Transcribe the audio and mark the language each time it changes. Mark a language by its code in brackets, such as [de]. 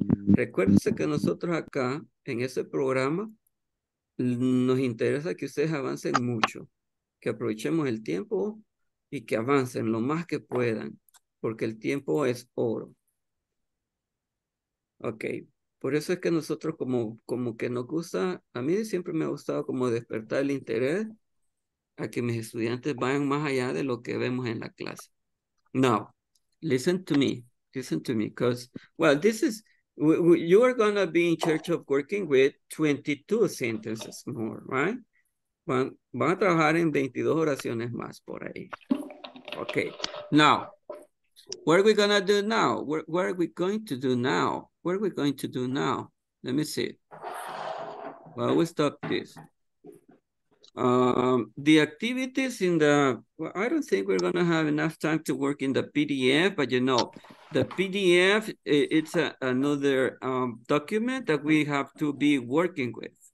[es] Recuérdense que nosotros acá, en ese programa, nos interesa que ustedes avancen mucho, que aprovechemos el tiempo y que avancen lo más que puedan, porque el tiempo es oro. Ok. Por eso es que nosotros como que nos gusta, a mí siempre me ha gustado como despertar el interés a que mis estudiantes vayan más allá de lo que vemos en la clase. [en] Now, listen to me, because, well, this is, you are going to be in charge of working with 22 sentences more, right? [es] Van a trabajar en 22 oraciones más por ahí. [en] Okay, now, What are we going to do now? Let me see. Well, we stop this. The activities in the, well, I don't think we're going to have enough time to work in the PDF, but you know, the PDF, it's another document that we have to be working with.